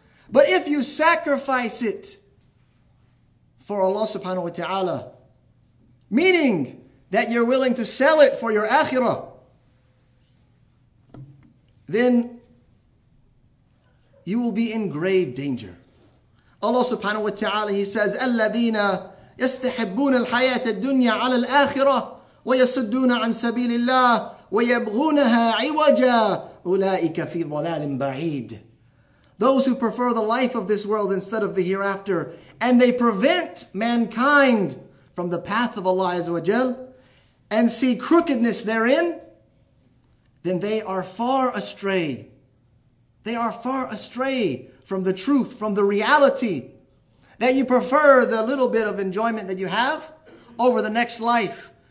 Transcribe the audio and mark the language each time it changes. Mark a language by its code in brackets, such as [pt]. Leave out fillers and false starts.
[en] But if you sacrifice it for Allah subhanahu wa ta'ala, meaning that you're willing to sell it for your akhirah, then you will be in grave danger. Allah subhanahu wa ta'ala, he says, [ar] الَّذِينَ يَسْتَحِبُّونَ الْحَيَاةَ الدُّنْيَا عَلَى الْآخِرَةِ وَيَسُدُّونَ عَنْ سَبِيلِ اللَّهِ وَيَبْغُونَهَا عِوَجًا أُولَٰئِكَ فِي ضَلَالٍ بَعِيدٍ. [en] Those who prefer the life of this world instead of the hereafter, and they prevent mankind from the path of Allah Azza wa Jal and see crookedness therein, then they are far astray. They are far astray from the truth, from the reality, that you prefer the little bit of enjoyment that you have over the next life.